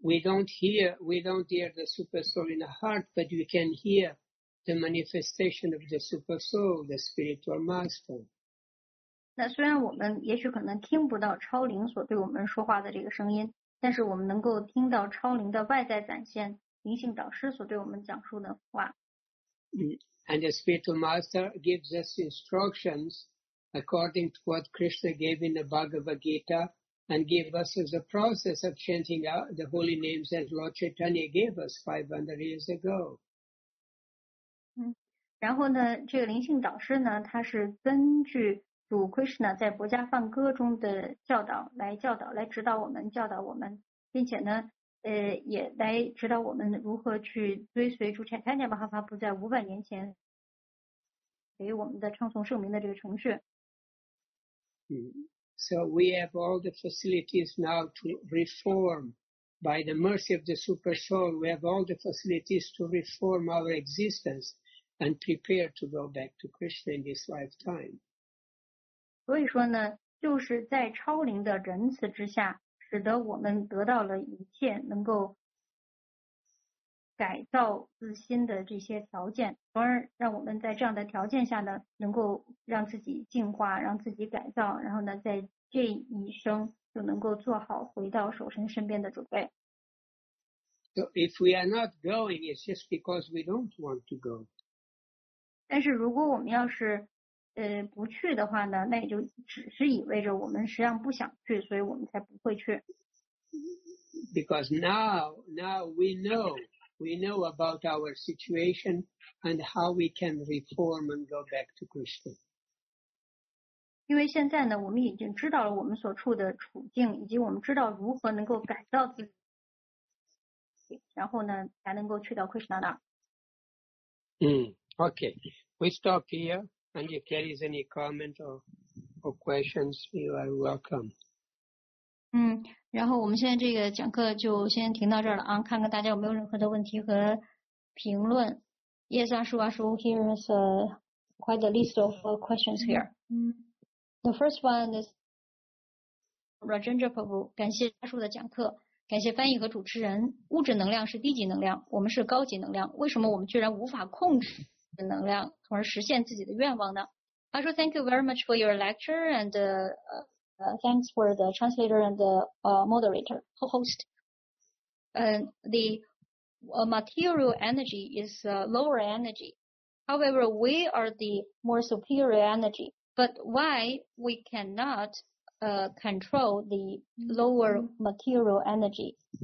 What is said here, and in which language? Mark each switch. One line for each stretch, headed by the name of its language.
English: We don't hear the super soul in the heart, but we can hear the manifestation of the super soul, the spiritual master.
Chinese: 那虽然我们也许可能听不到超灵所对我们说话的这个声音，但是我们能够听到超灵的外在展现，灵性导师所对我们讲述的话。
English: And the spiritual master gives us instructions according to what Krishna gave in the Bhagavad Gita. And gave us as a process of chanting out the holy names that Lord Chaitanya gave us 500 years ago.
Chinese: 然后呢，这个灵性导师呢，他是根据主 Krishna 在《薄伽梵歌》中的教导来教导、来指导我们、教导我们，并且呢，也来指导我们如何去追随主 Chaitanya Mahaprabhu 在500年前给我们的唱诵圣名的这个程序。
English: So we have all the facilities now to reform by the mercy of the super soul. We have all the facilities to reform our existence and prepare to go back to Krishna in this lifetime.
Chinese: 所以说呢，就是在超灵的仁慈之下，使得我们得到了一切能够改造自心的这些条件，从而让我们在这样的条件下呢，能够让自己进化，让自己改造，然后呢，在这一生就能够做好回到守身身边的准备。
English: So if we are not going, it's just because we don't want to go.
Chinese: 但是如果我们要是不去的话呢，那也就只是意味着我们实际上不想去，所以我们才不会去。
English: Because now we know. We know about our situation and how we can reform and go back to Krishna. 因为现在呢，我们已经知道了我们所处的处境，以及我们知道如何能够改造自己，然后呢，才能够去到 Krishna 那儿。 Okay. We stop here. And if there is any comment or questions, you are welcome.
Chinese: 然后我们现在这个讲课就先停到这儿了啊，看看大家有没有任何的问题和评论。
English: Yes, Ashu, Ashu, here is quite a list of questions here. The first one is Rajendra Prabhu,
Chinese: 感谢阿叔的讲课，感谢翻译和主持人。物质能量是低级能量，我们是高级能量，为什么我们居然无法控制的能量，从而实现自己的愿望呢？
English: 阿叔 thank you very much for your lecture and thanks for the translator and the moderator, host. The material energy is lower energy. However, we are the more superior energy. But why we cannot control the lower material energy?